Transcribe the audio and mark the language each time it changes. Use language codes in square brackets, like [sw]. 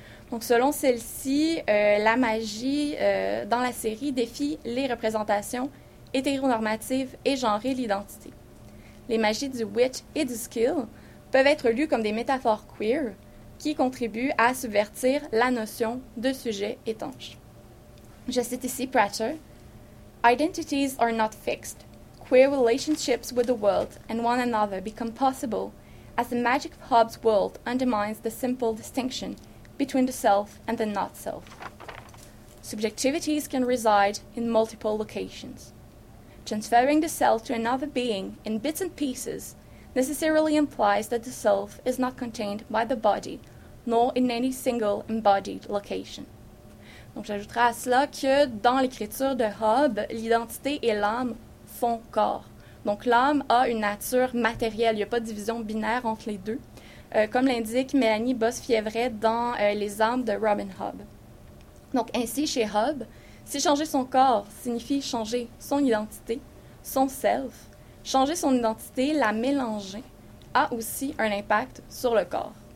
[fr] Donc selon celle-ci, la magie dans la série défie les représentations hétéronormatives et genrées de l'identité. Les magies du Witch et du Skill peuvent être lues comme des métaphores queer qui contribuent à subvertir la notion de sujet étanche. Je cite ici Pratchett. [en] Identities are not fixed. Queer relationships with the world and one another become possible as the magic of Hobbes' world undermines the simple distinction between the self and the not-self. Subjectivities can reside in multiple locations. Transferring the self to another being in bits and pieces necessarily implies that the self is not contained by the body, nor in any single embodied location. [fr] Donc, j'ajouterai à cela que dans l'écriture de Hobbes, l'identité et l'âme font corps. Donc, l'âme a une nature matérielle. Il n'y a pas de division binaire entre les deux, comme l'indique Mélanie Bosse-Fièvret dans Les âmes de Robin Hobb. Donc, ainsi, chez Hobb, si changer son corps signifie changer son identité, son self, changer son identité, la mélanger, a aussi un impact sur le corps.